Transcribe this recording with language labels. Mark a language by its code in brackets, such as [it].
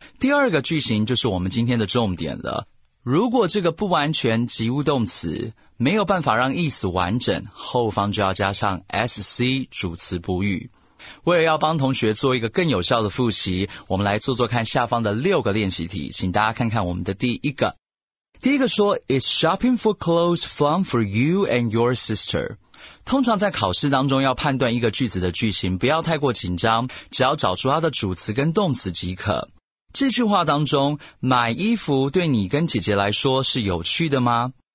[zh] 第二个句型就是我们今天的重点了。如果这个不完全及物动词没有办法让意思完整，后方就要加上 SC 主词补语。为了要帮同学做一个更有效的复习，我们来做做看下方的六个练习题，请大家看看我们的第一个。第一个说 [en] Is shopping for clothes fun for you and your sister? [zh] 通常在考试当中要判断一个句子的句型，不要太过紧张，只要找出它的主词跟动词即可。这句话当中，买衣服对你跟姐姐来说是有趣的吗？